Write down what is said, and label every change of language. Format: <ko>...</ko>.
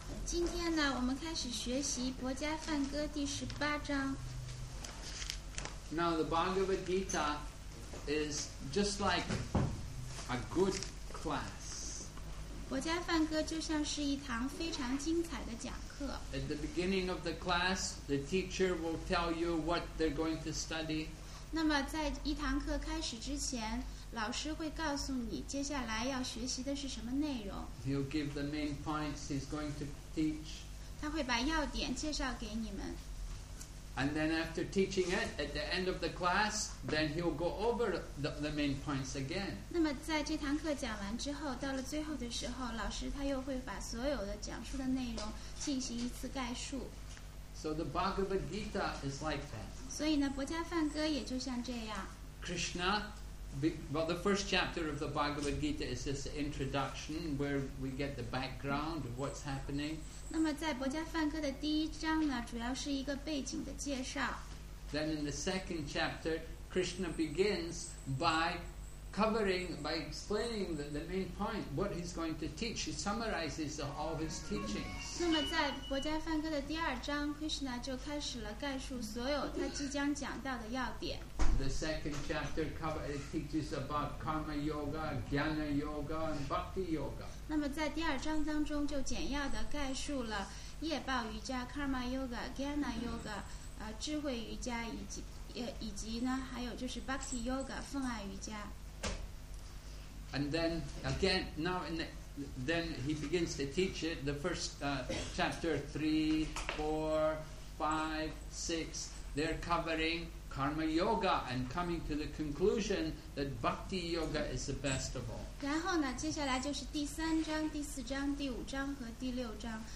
<zh>今天呢，我们开始学习《薄伽梵歌》第十八章。</zh> <en>Now the Bhagavad Gita is just like a good class.</en> <zh>薄伽梵歌就像是一堂非常精彩的讲课。</zh> <en>At the beginning of the class, the teacher will tell you what they're going to study.</en> <zh>那么在一堂课开始之前，老师会告诉你接下来要学习的是什么内容。</zh> <en>He'll give the main points he's going to teach.</en> <zh>他会把要点介绍给你们。</zh> <en>And then after teaching it, at the end of the class, then he'll go over the main points again.</en> <zh>那么在这堂课讲完之后，到了最后的时候，老师他又会把所有的讲述的内容进行一次概述。</zh> <en>So the Bhagavad Gita is like that.</en> <zh>所以呢，《薄伽梵歌》也就像这样。</zh> <en>Krishna, well, the first chapter of the Bhagavad Gita is just an introduction where we get the background of what's happening.</en> <zh>那么在《薄伽梵歌》的第一章呢，主要是一个背景的介绍。</zh> <en>Then in the second chapter, Krishna begins by covering, by explaining the main point, what he's going to teach. He summarizes all his teachings.</en> <zh>那么在《薄伽梵歌》的第二章， Krishna 就开始了概述所有他即将讲到的要点。</zh> <en>The second chapter teaches about karma yoga, jnana yoga, and bhakti yoga.</en> <zh>那么在第二章当中就简要的概述了业报瑜伽、karma yoga、jnana yoga、智慧瑜伽以及呢，还有就是 bhakti yoga、奉爱瑜伽。</zh> <en>And then again, now in then he begins to teach it. The first chapter 3, 4, 5, 6, they're covering karma yoga and coming to the conclusion that bhakti yoga is the best of all.</en> <zh>然后呢，接下来就是第三章、第四章、第五章和第六章。</zh>